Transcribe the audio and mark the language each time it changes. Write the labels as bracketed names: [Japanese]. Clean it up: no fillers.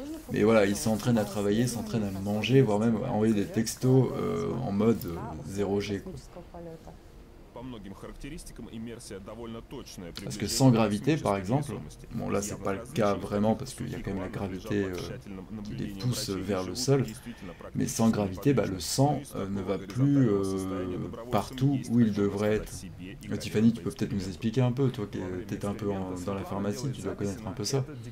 [French] Mais voilà, il s'entraîne à travailler, s'entraîne à manger, voire même à envoyer des textos en mode 0G. [Russian] по многим характеристикам иммерсия довольно точная. [French] Parce que sans gravité, par exemple, bon là c'est pas le cas vraiment parce qu'il y a quand même la gravité qui les pousse vers le sol, mais sans gravité, bah, le sang ne va plus partout où il devrait être. Tiffany, tu peux peut-être nous expliquer un peu, toi qui étais un peu dans la pharmacie, tu dois connaître un peu ça.